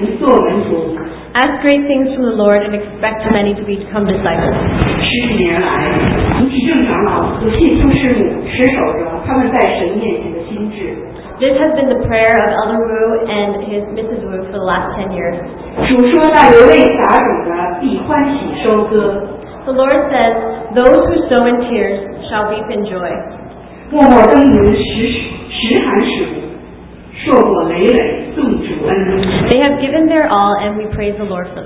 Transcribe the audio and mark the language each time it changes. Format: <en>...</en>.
<en>Ask great things from the Lord and expect many to become disciples.</en> <zh>十几年来，吴启正长老和谢秋师母持守着他们在神面前的心志。</zh> <en>This has been the prayer of Elder Wu and his Mrs. Wu for the last 10 years.</en> <zh>主说那流泪撒种的必欢喜收割。</zh> <en>The Lord says, those who sow in tears shall reap in joy.</en> <zh>默默耕耘时寒时苦。硕果累累，颂主恩。</zh> <en>They have given their all, and we praise the Lord for them.</en>